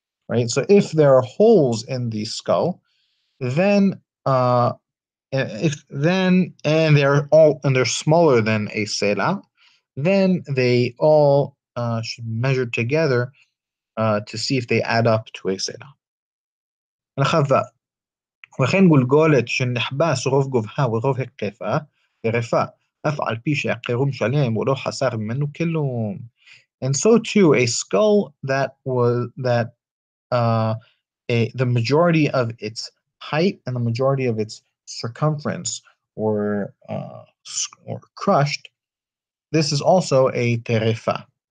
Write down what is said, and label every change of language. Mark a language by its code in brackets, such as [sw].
[en] Right, so if there are holes in the skull, then they're smaller than a sela, then they all should measure together to see if they add up to a sela. [he] וכן גולגולת שנחבס רוב גובהה ורוב היקפה, הרפה, אף על פי שהקירום שלם ולא חסר ממנו כלום. [en] And so too, a skull the majority of its height and the majority of its circumference were crushed, this is also a terefa.